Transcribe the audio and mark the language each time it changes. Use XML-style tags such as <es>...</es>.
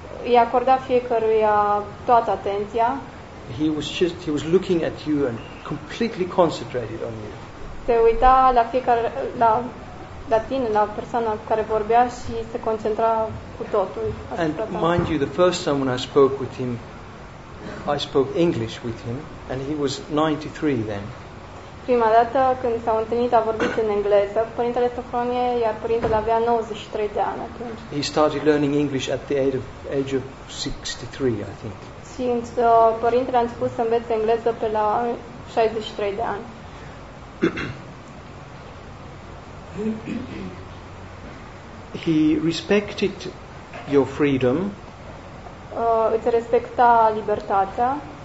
<ro>I-a acordat fiecăruia toată atenția.</ro> <en>He was looking at you and completely concentrated on you.</en> <ro>Se uita la fiecare la tine, la persoana cu care vorbea și se concentra cu totul.</ro> <en>And mind you, the first time when I spoke with him, I spoke English with him, and he was 93 then.</en> <ro>Prima dată când s-au întâlnit a vorbit în engleză cu părintele Sofronie, iar părintele avea 93 de ani atunci.</ro> <en>He started learning English at the age of 63, I think.</en> <ro>Și părintele a început să învețe engleză pe la 63 de ani.</ro> <en>He respected your freedom.</en> <ro>Îți respecta libertatea.</ro>